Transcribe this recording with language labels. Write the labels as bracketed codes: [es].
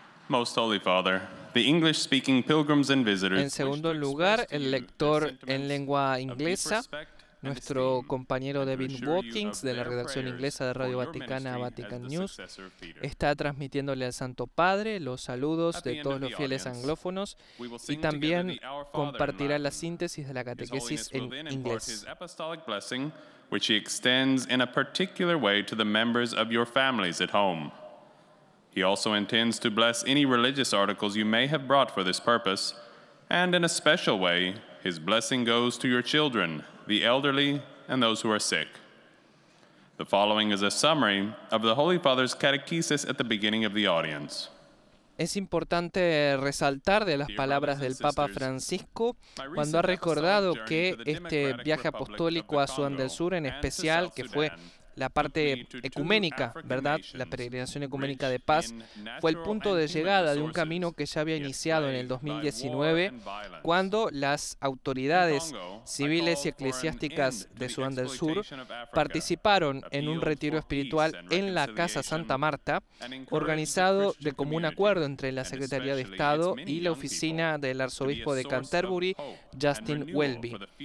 [en] Most Holy Father, the English-speaking pilgrims and visitors. [es] En segundo lugar, el lector en lengua inglesa, nuestro compañero David Watkins de la redacción inglesa de Radio Vaticana Vatican News, está transmitiéndole al Santo Padre los saludos de todos los fieles anglófonos y también compartirá la síntesis de la catequesis en inglés. [en] Which he extends in a particular way to the members of your families at home. He also intends to bless any religious articles you may have brought for this purpose, and in a special way, his blessing goes to your children, the elderly, and those who are sick. The following is a summary of the Holy Father's catechesis at the beginning of the audience. [es] Es importante resaltar de las palabras del Papa Francisco cuando ha recordado que este viaje apostólico a Sudán del Sur, en especial, que fue la parte ecuménica, ¿verdad? La peregrinación ecuménica de paz fue el punto de llegada de un camino que ya había iniciado en el 2019 cuando las autoridades civiles y eclesiásticas de Sudán del Sur participaron en un retiro espiritual en la Casa Santa Marta, organizado de común acuerdo entre la Secretaría de Estado y la oficina del arzobispo de Canterbury, Justin Welby.